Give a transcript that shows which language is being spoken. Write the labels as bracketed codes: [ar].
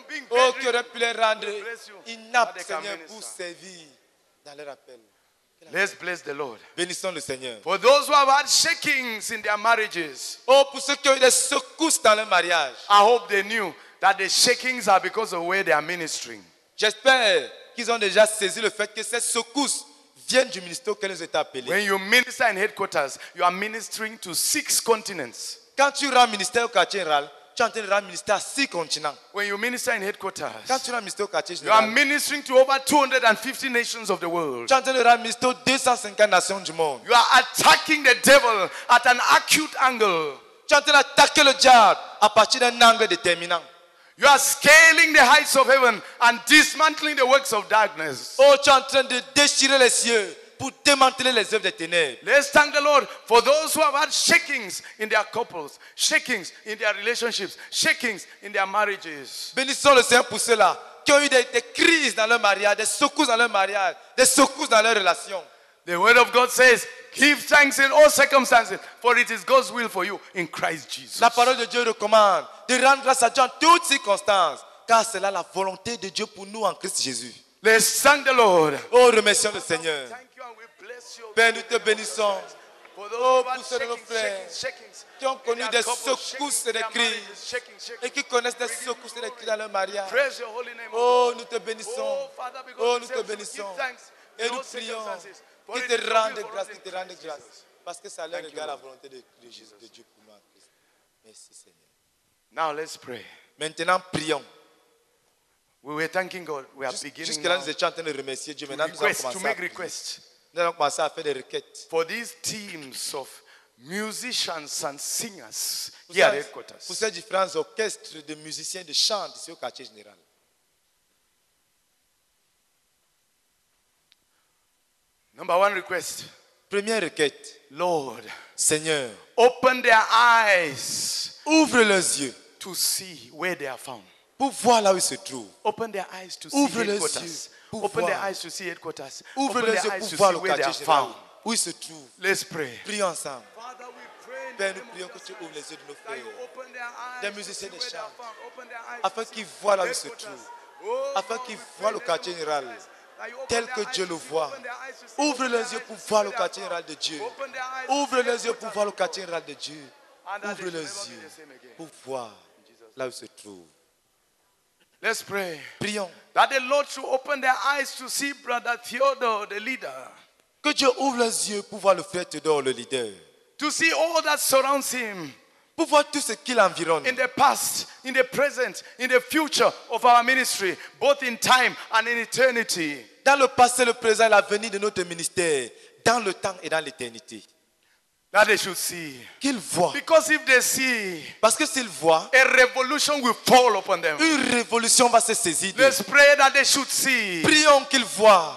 [fr] Oh, qui aurait pu les rendre inaptes, Seigneur, pour servir dans leur appel. [en] Let's bless the Lord. [fr] Bénissons le Seigneur. [en] For those who have had shakings in their marriages. [fr] Oh, pour ceux qui ont eu des secousses dans leur mariage. [en] I hope they knew that the shakings are because of where they are ministering. [fr] J'espère qu'ils ont déjà saisi le fait que ces secousses viennent du ministère auquel ils ont été appelés. [en] When you minister in headquarters, you are ministering to 6 continents. [fr] Quand tu rends ministère au quartier général, tu es en train de rendre ministère à 6 continents. [en] When you minister in headquarters, [fr] quand tu rends ministère au quartier général, [en] you are ministering to over 250 nations of the world. [fr] Tu es en train de rendre ministère aux 250 nations du monde. [en] You are attacking the devil at an acute angle. [fr] Tu es en train d'attaquer le diable à partir d'un angle déterminant. [en] You are scaling the heights of heaven and dismantling the works of darkness. [fr] Oh, tu es en train de déchirer les cieux pour démanteler les œuvres des ténèbres. [en] Let's thank the Lord for those who have had shakings in their couples, shakings in their relationships, shakings in their marriages. [fr] Bénissons le Seigneur pour ceux-là qui ont eu des crises dans leur mariage, des secousses dans leur mariage, des secousses dans leur relation. [en] The word of God says, give thanks in all circumstances, for it is God's will for you in Christ Jesus. [fr] La parole de Dieu recommande de rendre grâce à Dieu en toutes circonstances, car c'est là la volonté de Dieu pour nous en Christ Jésus. [en] Let's thank the Lord. [fr] Oh, remercions le Seigneur. Père, nous te bénissons. Oh, pour ceux de nos frères qui ont connu des secousses et des cris et qui connaissent des secousses et des cris dans leur mariage. Oh, nous te bénissons. Oh, nous te bénissons. Et nous prions qu'ils te rendent grâce, qu'ils te rendent grâce. Parce que ça leur égale la volonté de Jésus, de Dieu pour moi. Merci, Seigneur. [en] Now, let's pray. [fr] Maintenant, prions. [en] We were thanking God. We are beginning [fr] jusque là, nous étions en train de remercier Dieu. Maintenant, [en] request, [fr] nous allons commencer à prier. Nous allons commencer à faire des requêtes. [en] For these teams of musicians and singers here at headquarters. [fr] Pour ces différents orchestres de musiciens de chant ici au quartier général. [en] Number one request. [fr] Première requête. [en] Lord, [fr] Seigneur, [en] open their eyes. [fr] Ouvre leurs yeux. [en] To see where they are found. [fr] Pour voir là où ils se trouvent. [en] Open their eyes to see headquarters. Open [fr] voir. [en] Their eyes to see headquarters. [fr] Ouvre [en] open [fr] leurs yeux pour voir le quartier général. Où ils se trouvent. [en] Let's pray. [fr] Prions ensemble. [en] Father, we pray [fr] Père, nous prions que tu ouvres les yeux de nos frères. Des musiciens de chant. Afin qu'ils voient là où ils se trouvent. Oh, afin qu'ils voient le quartier général. Tel que Dieu le voit. Ouvre leurs yeux pour voir le quartier général de Dieu. Ouvre leurs yeux pour voir le quartier général de Dieu. Ouvre leurs yeux pour voir là où ils se trouvent. [en] Let's pray. [fr] Prions. [en] That the Lord should open their eyes to see Brother Theodore, the leader. [fr] Que Dieu ouvre leurs yeux pour voir le frère Theodore, le leader. [en] To see all that surrounds him. [fr] Pour voir tout ce qui l'environne. [en] In the past, in the present, in the future of our ministry, both in time and in eternity. [fr] Dans le passé, le présent et l'avenir de notre ministère, dans le temps et dans l'éternité. [en] That they should see. [fr] Qu'ils voient. [en] Because if they see, [fr] parce que s'ils voient, [en] a revolution will fall upon them. [fr] Une révolution va se saisir. [en] Let's pray that they should see. [fr] Prions qu'ils voient.